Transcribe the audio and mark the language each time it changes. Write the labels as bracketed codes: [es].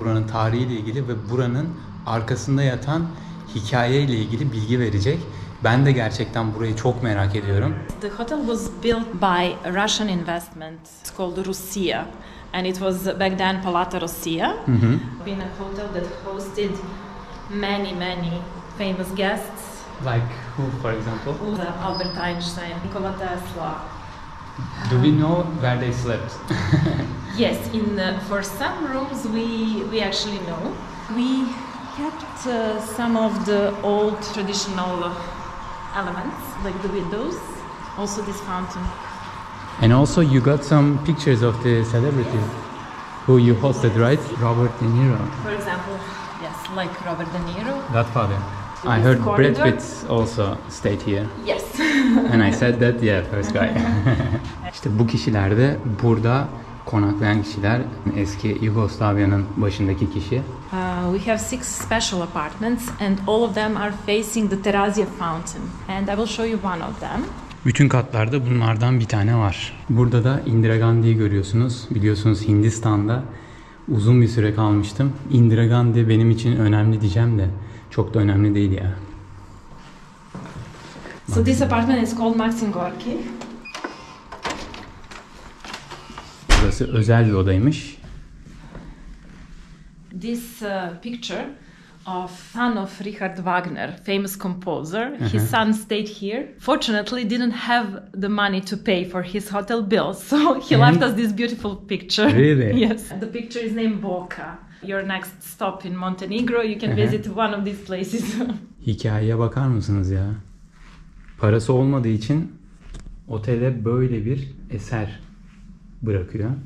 [tr] Buranın tarihiyle ilgili ve buranın arkasında yatan hikayeyle ilgili bilgi verecek. Ben de gerçekten burayı çok merak ediyorum. [en] The hotel was built by a Russian investment. It's called Russia. And it was back then Palata Rossiya. Mm-hmm. Been a hotel that hosted many, many famous guests. Like who, for example? Albert Einstein, Nikola Tesla. Do we know where they slept? Yes, in for some rooms we actually know. We kept some of the old traditional elements, like the windows, also this fountain. And also you got some pictures of the celebrities who you hosted, right? Robert De Niro. For example, yes, like Robert De Niro. Godfather. I heard Brad Pitt also stayed here. Yes. And I said that, yeah, first guy. [tr] İşte bu kişiler de burada konaklayan kişiler. Eski Yugoslavya'nın başındaki kişi. [en] We have 6 special apartments and all of them are facing the Terazia Fountain. And I will show you one of them. [tr] Bütün katlarda bunlardan bir tane var. Burada da Indira Gandhi'yi görüyorsunuz. Biliyorsunuz Hindistan'da uzun bir süre kalmıştım. Indira Gandhi benim için önemli diyeceğim de çok da önemli değil ya. [en] So this apartment is called Maxim Gorki. [tr] Burası özel bir odaymış. [en] This picture of son of Richard Wagner, famous composer. Uh-huh. His son stayed here. Fortunately, didn't have the money to pay for his hotel bills, so he left us this beautiful picture. Really? Yes. The picture is named Boka. Your next stop in Montenegro, you can visit one of these places. [tr] Hikayeye bakar mısınız ya? Parası olmadığı için otele böyle bir eser bırakıyor.